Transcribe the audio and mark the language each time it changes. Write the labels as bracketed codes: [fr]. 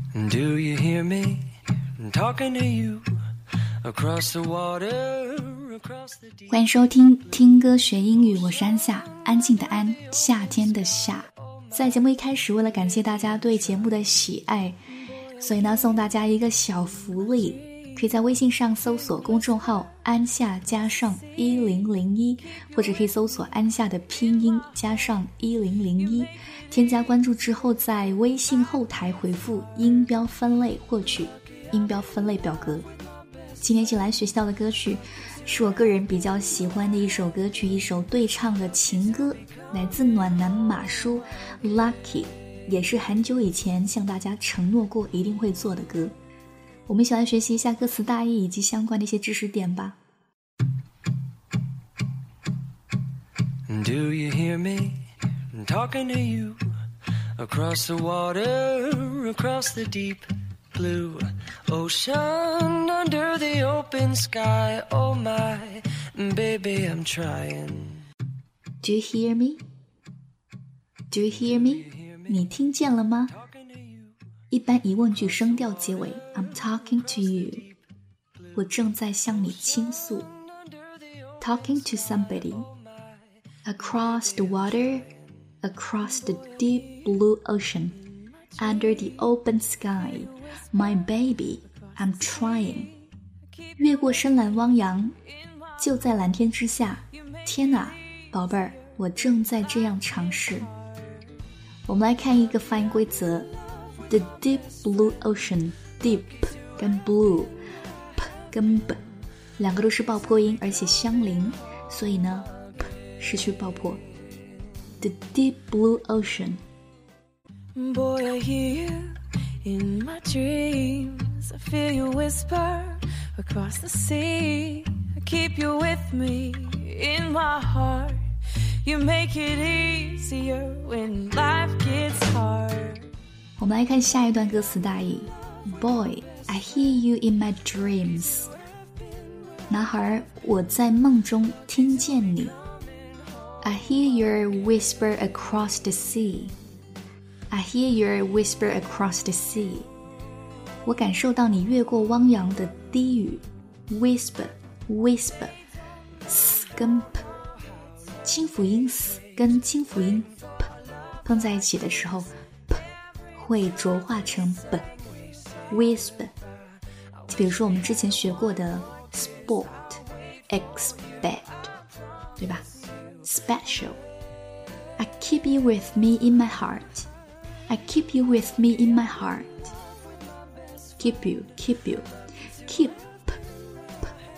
[en] Do you hear me talking to you across the water, across the deep? [zh] 欢迎收听听歌学英语，我是安夏，安静的安，夏天的夏。在节目一开始，为了感谢大家对节目的喜爱，所以呢送大家一个小福利，可以在微信上搜索公众号安夏加上1001，或者可以搜索安夏的拼音加上1001，添加关注之后，在微信后台回复音标分类获取音标分类表格。今天进来学习到的歌曲是我个人比较喜欢的一首歌曲，一首对唱的情歌，来自暖男马叔 Lucky， 也是很久以前向大家承诺过一定会做的歌。我们一起来学习一下歌词大意以及相关的一些知识点吧。 [en] Do you hear me talking to you across the water, across the deep blue ocean, under the open sky, oh my baby, I'm trying. Do you hear me? Do you hear me? [zh] 你听见了吗？一般疑问句声调结尾 [en] I'm talking to you， [zh] 我正在向你倾诉。 [en] Talking to somebody Across the water, across the deep blue ocean, under the open sky, my baby, I'm trying。 [zh] 越过深蓝汪洋，就在蓝天之下，天哪，宝贝儿，我正在这样尝试。我们来看一个发音规则， [en] The deep blue ocean, [zh] deep 跟 blue, p 跟 b 两个都是爆破音，而且相邻，所以呢 p 是去爆破。 [en] The deep blue ocean. Boy, I hear you in my dreams. I feel you whisper across the sea. I keep you with me in my heart. You make it easier when life gets hard. [zh] 我们来看下一段歌词大意。 [en] Boy, I hear you in my dreams. [zh] 男孩，我在梦中听见你。 [en] I hear your whisper across the sea. I hear your whisper across the sea. [zh] 我感受到你越过汪洋的低语。 Whisper, whisper, s 跟 p 轻辅音 s 跟轻辅音 p 碰在一起的时候会浊化成 b whisper， 比如说我们之前学过的 sport expect， 对吧？ [en] special， I keep you with me in my heart， I keep you with me in my heart， keep you keep you keep p, p.